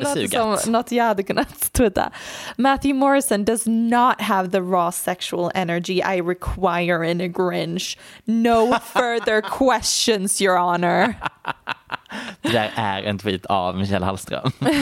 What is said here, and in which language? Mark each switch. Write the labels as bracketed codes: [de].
[sv] som något jag hade kunnat twitta. [en] Matthew Morrison does not have the raw sexual energy I require in a Grinch. No further questions, your honor. [sv] Det är en tweet av Michelle Hallström.